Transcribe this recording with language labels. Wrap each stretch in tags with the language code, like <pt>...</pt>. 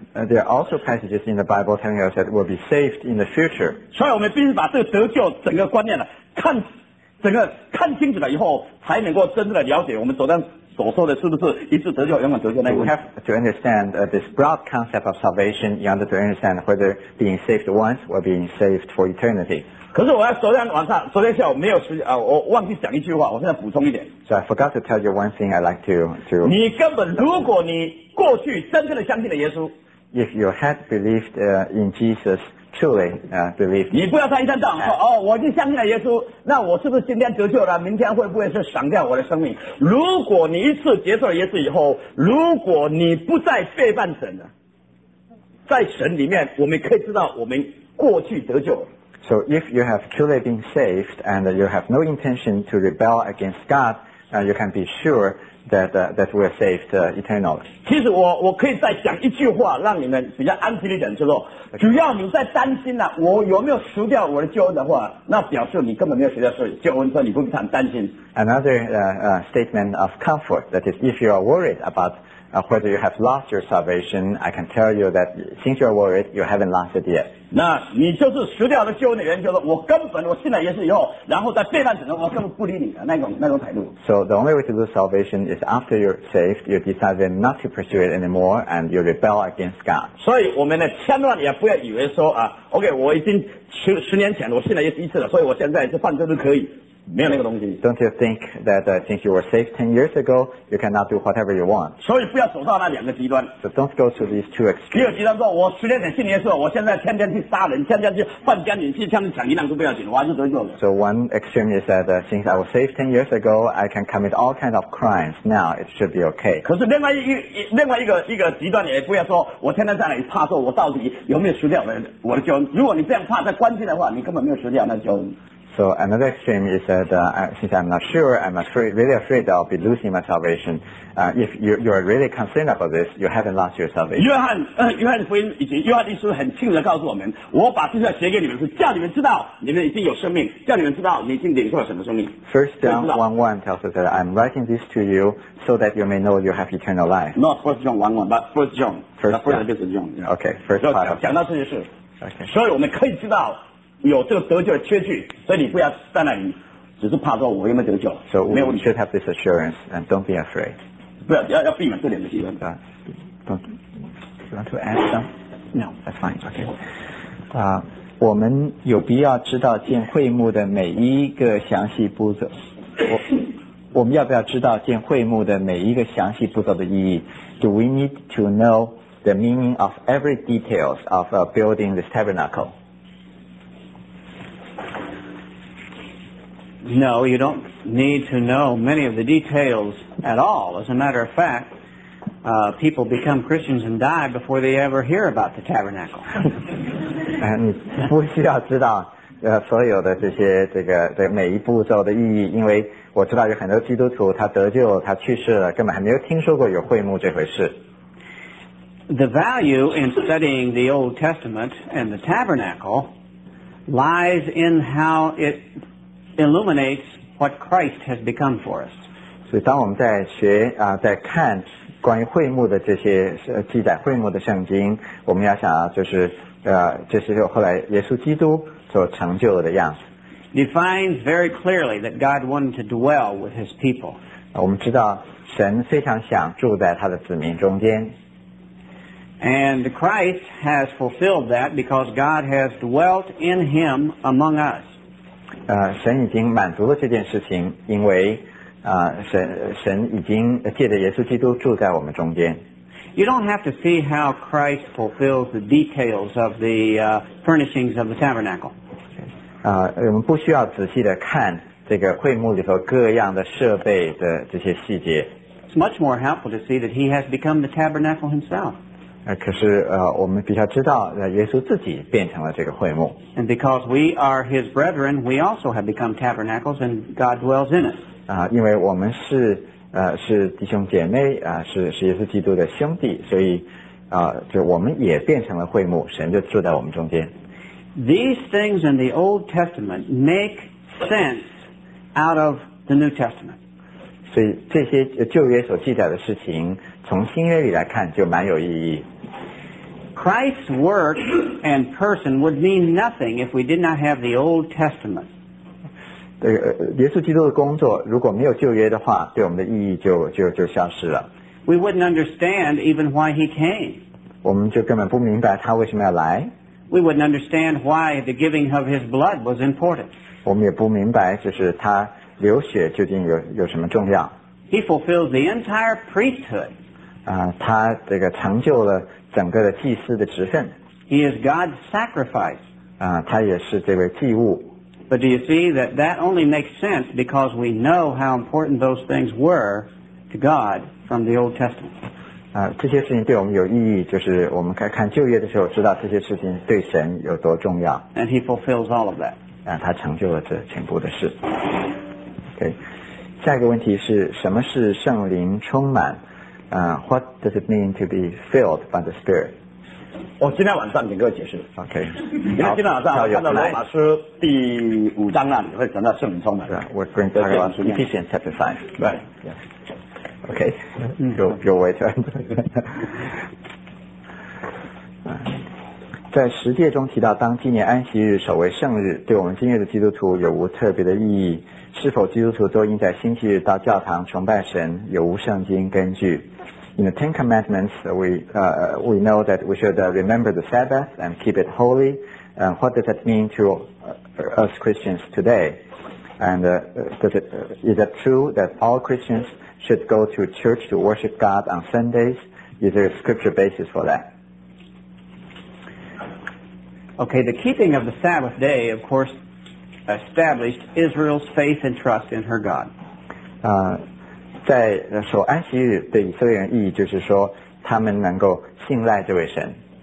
<en>And there are also passages in the Bible telling us that we'll be saved in the future.</en> <zh>所以我们必须把这个得救整个观念呢，看整个看清楚了以后，才能够真正的了解我们昨天所说的是不是一次得救永远得救那个。</zh> <en>We have to understand this broad concept of salvation. You have to understand whether being saved once or being saved for eternity.</en> <zh>可是我在昨天晚上，昨天下午没有时间啊，我忘记讲一句话，我现在补充一点。</zh> <en>So I forgot to tell you one thing. I'd like to.</en> <zh>你根本如果你过去真正的相信了耶稣</zh> <en>，If you had believed in Jesus truly, believed.</en> <zh>你不要再一天到晚说哦，我已经相信了耶稣，那我是不是今天得救了？明天会不会是赏掉我的生命？如果你一次接受了耶稣以后，如果你不再背叛神了，在神里面，我们可以知道我们过去得救了。</zh> <en>So if you have truly been saved and you have no intention to rebel against God, you can be sure that we are saved eternally.</en> <zh>其实我可以再讲一句话让你们比较安心一点，就是说主要你在担心了、啊、我有没有赎掉我的救恩的话，那表示你根本没有赎掉救恩，所以你不必很担心。</zh> <en>Another statement of comfort, that is if you are worried aboutwhether you have lost your salvation, I can tell you that since you are worried, you haven't lost it yet.</en> <zh>那你就是失掉了救恩的原因，就是我根本我信了耶稣以后，然后在背叛神，我根本不理你的那种态度。</zh> <en>So the only way to lose salvation is after you're saved, you decide not to pursue it anymore, and you rebel against God.</en> <zh>所以我们呢，千万也不要以为说啊 ，OK， 我已经十年前我信了耶稣一次了，所以我现在是犯罪都可以。没有那个东西。</zh> <en>Don't you think that since you were saved 10 years ago, you cannot do whatever you want?</en> <zh>所以不要走到那两个极端。</zh> <en>So don't go to these two extremes.</en> <zh>第二极端说，我十年前信耶稣，我现在天天去杀人，天天去犯奸淫，天天去抢银行都不要紧，我还是得救的。</zh> <en>So one extreme is that since I was saved 10 years ago, I can commit all kinds of crimes. Now it should be okay.</en> <zh>可是另外一个极端也不要说，我天天在那里怕说，我到底有没有失掉我的救恩？如果你这样怕在关键的话，你根本没有失掉那救恩。</zh> <en>So another extreme is that since I'm not sure, I'm afraid, really afraid that I'll be losing my salvation. If you're really concerned about this, you haven't lost your salvation.</en> <zh>约翰福音以及约翰一书很清楚地告诉我们，我把这些写给你们是叫你们知道你们已经有生命，叫你们知道你已经领受了什么生命。</zh> <en>First John 1:1 tells us that I'm writing this to you so that you may know you have eternal life. Not First John 1:1, but First John. First John. Okay, first part.</en> <zh>讲到这些事。Okay. 所以我们可以知道。有这个得救的缺据，所以你不要在那里只是怕说我有没有得救。</zh> <en>So we should have this assurance and don't be afraid.</en> <zh>不要要避免这两个极端。</zh> <en>You want to add some? No, that's fine. Okay.</en> <zh>我们有必要知道见会幕的每一个详细步骤。我们要不要知道见会幕的每一个详细步骤的意义</zh> <en>？Do we need to know the meaning of every details of building this tabernacle? No, you don't need to know many of the details at all. As a matter of fact, people become Christians and die before they ever hear about the tabernacle.</en> <zh>你不需要知道所有的这些这每一步骤的意义，因为我知道有很多基督徒他得救他去世了，根本还没有听说过有会幕这回事。</zh> <en>The value in studying the Old Testament and the tabernacle lies in how it... illuminates what Christ has become for us.</en> <zh>所以当我们在学啊、在看关于会幕的这些记载会幕的圣经，我们要想就是这是后来耶稣基督所成就的样子。</zh> <en>Defines very clearly that God wanted to dwell with His people.</en> <zh>我们知道神非常想住在他的子民中间。</zh> <en>And Christ has fulfilled that because God has dwelt in Him among us.</en> <zh>神已经满足了这件事情，因为神已经借着耶稣基督住在我们中间。</zh> <en>You don't have to see how Christ fulfills the details of the furnishings of the tabernacle.</en> <zh>我们不需要仔细的看这个会幕里头各样的设备的这些细节。</zh> <en>It's much more helpful to see that he has become the tabernacle himself.</en> <zh>可是我们比较知道耶稣自己变成了这个会幕。</zh> <en>And because we are his brethren, we also have become tabernacles and God dwells in us.</en> <zh>因为我们是弟兄姐妹是耶稣基督的兄弟，所以就我们也变成了会幕，神就住在我们中间。</zh> <en>These things in the Old Testament make sense out of the New Testament.</en> <zh>所以这些旧约所记载的事情从新约里来看就蛮有意义。</zh> <en>Christ's work and person would mean nothing if we did not have the Old Testament.</en> <zh>耶稣基督的工作如果没有旧约的话，对我们的意义就消失了。</zh> <en>We wouldn't understand even why he came.</en> <zh>我们就根本不明白他为什么要来。</zh> <en>We wouldn't understand why the giving of his blood was important.</en> <zh>我们也不明白就是他流血究竟 有什么重要。</zh> <en>He fulfilled the entire priesthood.</en> <zh>他这个成就了整个的祭司的职分。</zh> <en>He is God's sacrifice.</en> <zh>他也是这位祭物。</zh> <en>But do you see that that only makes sense because we know how important those things were to God from the Old Testament.</en> <zh>这些事情对我们有意义，就是我们看旧约的时候知道这些事情对神有多重要。</zh> <en>And he fulfills all of that.</en> <zh>他成就了这全部的事。okay. 下一个问题是什么是圣灵充满、</zh> <en>What does it mean to be filled by the Spirit?</en> <zh>我今天晚上给各位解释。</zh> <en>OK</en> <zh>因为今天晚上看到罗马书第五章那里会讲到圣灵充满。</zh> <en>Yeah, We're going to talk about Ephesians chapter 5. Right. Yes. Okay, your way to end.</en> <zh>在十诫中提到当纪念安息日守为圣日，对我们今日的基督徒有无特别的意义？是否基督徒都应在星期日到教堂崇拜神？有无圣经根据？</zh> <en>In the Ten Commandments, we know that we should remember the Sabbath and keep it holy. And what does that mean to us Christians today? And is that true that all Christians... should go to church to worship God on Sundays? Is there a scripture basis for that? Okay, the keeping of the Sabbath day, of course, established Israel's faith and trust in her God.</en> <zh>在守安息日对以色列人意义就是说他们能够信赖这位神。</zh>